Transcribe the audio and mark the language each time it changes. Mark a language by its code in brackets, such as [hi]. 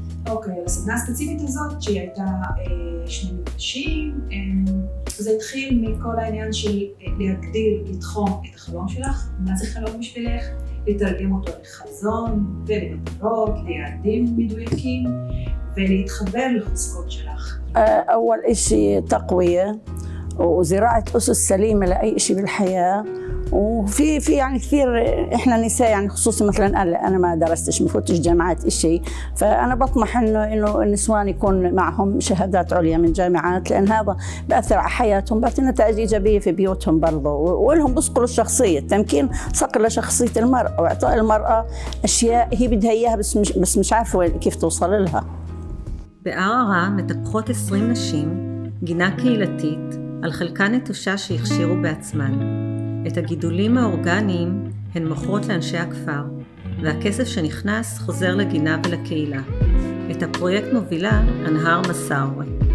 [he] אוקיי, הסדנה הספציפית הזאת, שהיא הייתה שני מפגשים, זה התחיל מכל העניין של להגדיל, לתחום את החלום שלך, מה זה חלום בשבילך, לתרגם אותו לחזון ולמטרות, ליעדים מדויקים, ולהתחבר לחוזקות שלך. אוהל אישי תקוויה, [ar] وزراعة أسس سليمة لأي إشي بالحياة. وفي في يعني كثير إحنا نساء يعني خصوصي مثلاً أنا ما درستش ما فوتش جامعات إشي، فأنا بطمح إنه النسوان يكون معهم شهادات عليا من جامعات، لأن هذا بأثر على حياتهم، بأثر نتائج إيجابية في بيوتهم برضو، ولهم بصقل الشخصية، تمكين صقل لشخصية المرأة وإعطاء المرأة أشياء هي بدها إياها بس مش عارفة كيف توصل لها. [he] בערערה מתקחות 20 נשים גינה קהילתית על חלקה נטושה שהכשירו בעצמן. את הגידולים האורגניים הן מוכרות לאנשי הכפר, והכסף שנכנס חוזר לגינה ולקהילה. את הפרויקט מובילה אנהר מסעורי.